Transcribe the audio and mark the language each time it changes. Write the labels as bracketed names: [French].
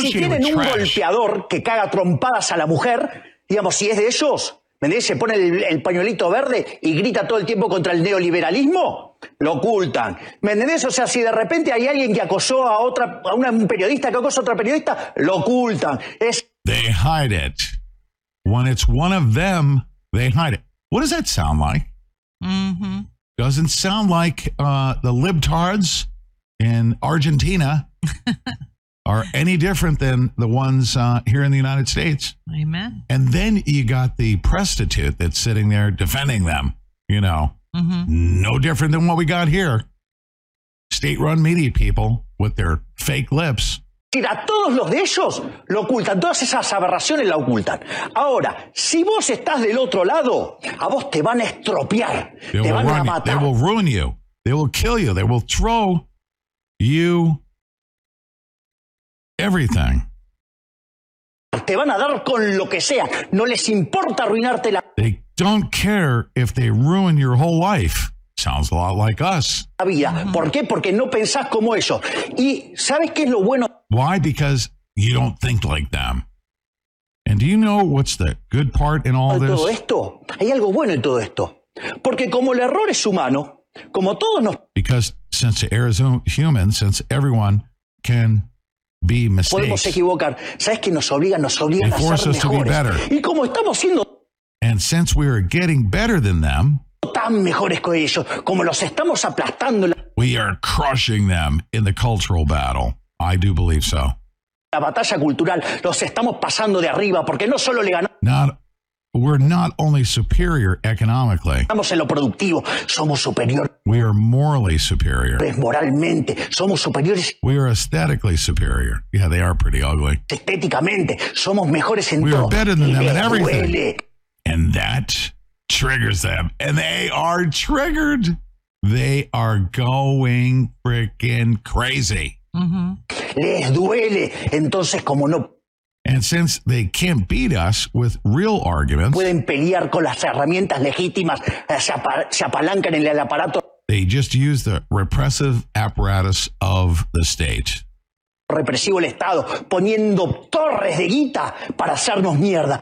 [Spanish] Si tienen un golpeador que caga trompadas a la mujer, digamos, si es de ellos, ¿me entiendes? Se pone el pañuelito verde y grita todo el tiempo contra el neoliberalismo. Lo ocultan. ¿Me entendés? O sea, si de repente hay alguien que acosó a otra, a un periodista que acosó a otra periodista, lo ocultan. [English] They hide it. When it's one of them, they hide it. What does that sound like? Mm-hmm. Doesn't sound like the libtards in Argentina are any different than the ones here in the United States. Amen. And then you got the prostitute that's sitting there defending them, you know. Mm-hmm. No different than what we got here. State-run media people with their fake lips. [Spanish] A todos los de ellos lo ocultan. Todas esas aberraciones la ocultan. Ahora, si vos estás del otro lado, a vos te van a estropear. [English] They [Spanish] te van a matar. [English] You. They will ruin you. They will kill you. They will throw you everything. [Spanish] Te van a dar con lo que sea. No les importa arruinarte la... [English] They don't care if they ruin your whole life. Sounds a lot like us. [Spanish] ¿Por qué? Porque no pensás como ellos. ¿Y sabes qué es lo bueno? [English] Why? Because you don't think like them. And do you know what's the good part in all this? [Spanish] Todo esto. Hay algo bueno en todo esto. Porque como el error es humano, como todos nos... [English] Because since the error is human, since everyone can... Be mistakes. [Spanish] Podemos equivocar. ¿Sabes que nos obligan a ser mejores? Y como estamos siendo [English] And since we are getting better than them, [Spanish] tan mejores que ellos, como los estamos aplastando. [English] We are crushing them in the cultural battle. I do believe so. [Spanish] La batalla cultural los estamos pasando de arriba porque no solo le ganamos. [English] We're not only superior economically. [Spanish] Estamos en lo productivo. Somos superior. [English] We are morally superior. [Spanish] Moralmente, somos superiores. [English] We are aesthetically superior. Yeah, they are pretty ugly. [Spanish] Estéticamente, somos mejores en [English] we [Spanish] todo. [English] We are better than them in everything. And that triggers them. And they are triggered. They are going freaking crazy. Mm-hmm. [Spanish] Les duele. Entonces, como no... [English] And since they can't beat us with real arguments, [Spanish] pueden pelear con las herramientas legítimas, se apalancan en el aparato. [English] They just use the repressive apparatus of the state. [Spanish] Represivo el Estado, poniendo torres de guita para hacernos mierda.